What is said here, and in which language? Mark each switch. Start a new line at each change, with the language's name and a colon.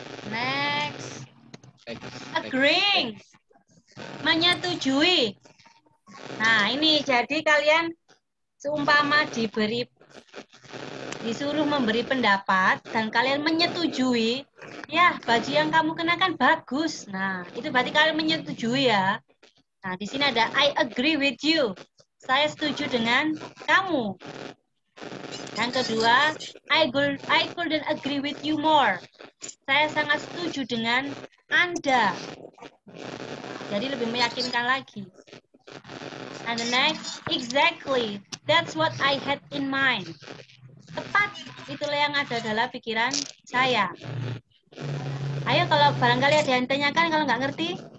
English: Next. Agreeing.
Indonesian: Menyetujui. Nah, ini jadi kalian seumpama diberi disuruh memberi pendapat dan kalian menyetujui, ya, baju yang kamu kenakan bagus. Nah, itu berarti kalian menyetujui ya. Nah, di sini ada
English: I agree with you.
Indonesian: Saya setuju dengan kamu. Yang kedua,
English: I couldn't agree with you more.
Indonesian: Saya sangat setuju dengan Anda. Jadi lebih meyakinkan lagi.
English: And the next, exactly, that's what I had in mind.
Indonesian: Tepat, itulah yang ada dalam pikiran saya. Ayo kalau barangkali ada yang tanyakan kalau nggak ngerti.